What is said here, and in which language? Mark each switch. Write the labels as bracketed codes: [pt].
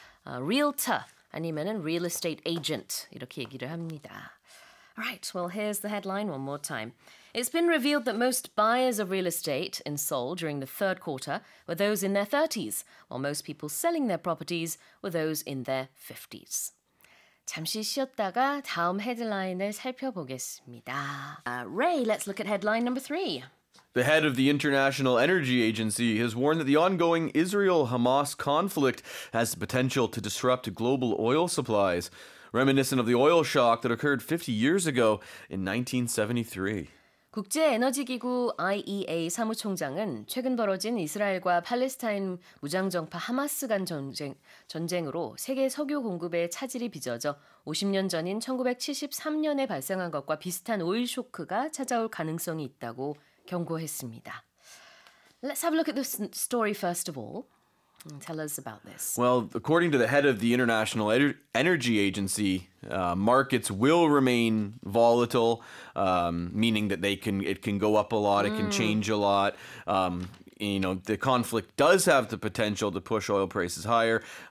[ko] Realtor 아니면은 [en] real estate agent [ko] 이렇게 얘기를 합니다. [en] All right, well here's the headline one more time. It's been revealed that most buyers of real estate in Seoul during the third quarter were those in their 30s, while most people selling their properties were those in their 50s. [ko] 잠시 쉬었다가 다음 헤드라인을 살펴보겠습니다. [en] Ray, let's look at headline number 3. The head of the International Energy Agency has warned that the ongoing Israel-Hamas conflict has the potential to disrupt global oil supplies, reminiscent of the oil shock that occurred 50 years ago in 1973. [ko] 국제에너지기구 IEA 사무총장은 최근 벌어진 이스라엘과 팔레스타인 무장정파 하마스 간 전쟁으로 세계 석유 공급에 차질이 빚어져 50년 전인 1973년에 발생한 것과 비슷한 오일 쇼크가 찾아올 가능성이 있다고 경고했습니다. [en] Let's have a look at this story first of all. Tell us about this. Well, according to the head of the International Energy Agency, markets will remain volatile, meaning that it can go up a lot, it can change a lot. You know, the conflict does have the potential to push oil prices higher.